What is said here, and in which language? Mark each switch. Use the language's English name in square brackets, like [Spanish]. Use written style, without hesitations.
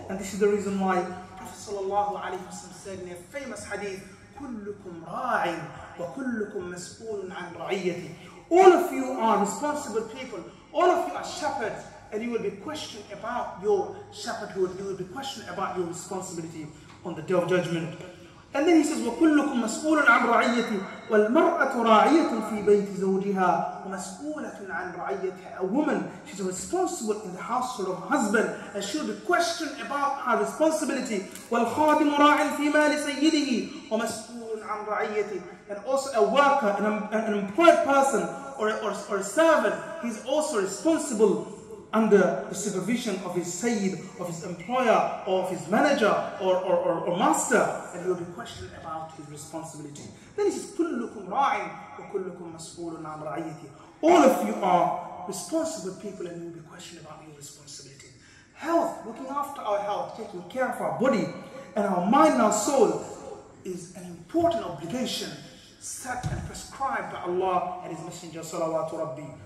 [English] And this is the reason why Prophet sallallahu alayhi wa sallam said in a famous hadith, [Arabic] كلكم راعي وكلكم مسؤول عن رعيتي. [English] All of you are responsible people. All of you are shepherds, and you will be questioned about your shepherdhood. You will be questioned about your responsibility. on the Day of Judgment. And then he says, [Arabic] وَكُلُّكُمْ مَسْئُولٌ عَنْ رَعِيَّتِهِ وَالْمَرْأَةُ رَعِيَّةٌ فِي بَيْتِ زَوْجِهَا وَمَسْئُولَةٌ عَنْ رَعِيَّتِهَا. [English] A woman, she's responsible in the household of her husband, and she'll be questioned about her responsibility. [Arabic] وَالْخَادِمُ رَاعٍ فِي مَالِ سَيِّدِهِ وَمَسْئُولٌ عَنْ رَعِيَّتِهِ. [English] And also a worker, an employed person, or a servant, he's also responsible under the supervision of his sayyid, of his employer, or of his manager, or master, and he will be questioned about his responsibility. Then he says, [Arabic] كُلُّكُمْ رَاعٍ وَكُلُّكُمْ مَسْئُولٌ عَنْ رَعِيَّتِهِ. [English] All of you are responsible people, and you will be questioned about your responsibility. Health, looking after our health, taking care of our body, and our mind and our soul, is an important obligation set and prescribed by Allah and His Messenger, [Arabic] صَلَوَاتُ رَبِّي.